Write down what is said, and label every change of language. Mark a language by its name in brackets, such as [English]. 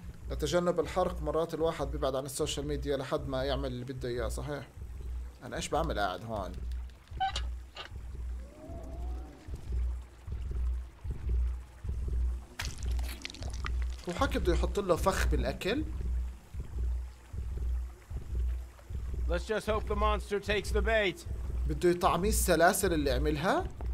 [Arabic] لتجنب الحرق مرات الواحد بيبعد عن السوشيال ميديا لحد ما يعمل اللي بده اياه. صحيح. انا ايش بعمل قاعد هون؟ هو حكي بده يحط له فخ بالاكل. [English] Let's just hope the monster takes the bait. [Arabic] بده يطعمي السلاسل اللي عملها.